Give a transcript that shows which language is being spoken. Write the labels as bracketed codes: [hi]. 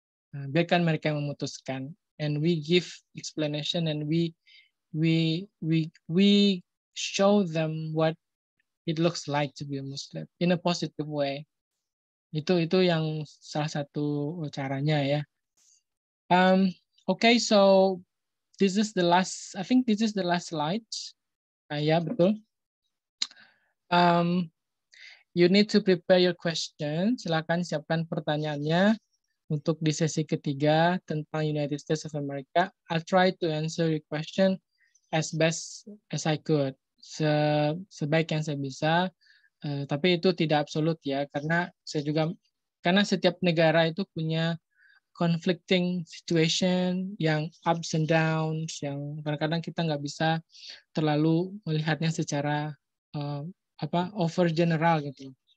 [id] Biarkan mereka memutuskan, [en] and we give explanation, and we show them what it looks like to be a Muslim in a positive way. [id] Itu yang salah satu caranya ya. [en] Okay, so this is the last. I think this is the last slide. Yeah, betul. You need to prepare your questions. [id] Silakan siapkan pertanyaannya untuk di sesi ketiga tentang United States of America. [en] I'll try to answer your question as best as I could. [id] Sebaik yang saya bisa. Tapi itu tidak absolut ya, karena setiap negara itu punya [en] conflicting situation [id] yang [en] ups and downs, [id] yang kadang-kadang kita nggak bisa terlalu melihatnya secara [en] over general [id] gitu.